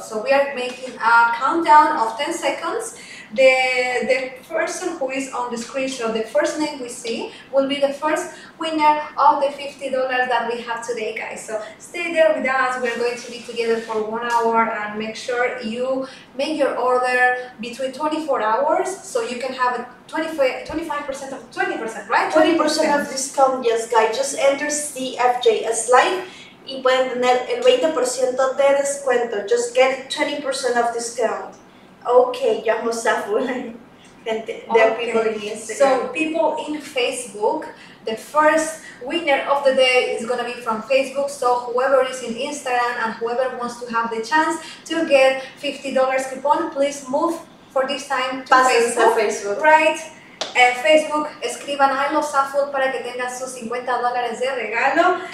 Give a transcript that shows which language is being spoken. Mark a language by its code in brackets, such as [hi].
[en] So we are making a countdown of 10 seconds. The person who is on the screenshot, the first name we see, will be the first winner of the $50 that we have today, guys. So stay there with us. We're going to be together for 1 hour and make sure you make your order between 24 hours so you can have a 20% right? 20% of discount, yes, guys. Just enter [es] ZFJSLIVE y pueden tener el 20% de descuento. [en] Just get 20% of discount. Okay, llamo ZAFUL. There are people in Instagram. So people in Facebook, the first winner of the day is going to be from Facebook. So whoever is in Instagram and whoever wants to have the chance to get $50 coupon, please move for this time to Facebook. Right? [es] Facebook, escriban [en] I love ZAFUL [es] para que tengan sus $50 de regalo.